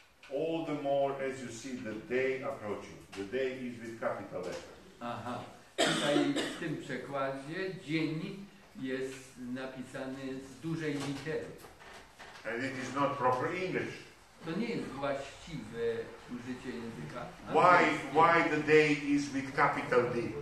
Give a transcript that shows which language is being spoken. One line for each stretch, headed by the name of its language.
English: All the more as you see the day approaching. The day is with capital letter.
Polish: Aha, tutaj w tym przekładzie dzień jest napisany z dużej litery.
English: And it is not proper English.
Polish: To nie jest właściwe użycie języka.
English: Why the day is with capital D?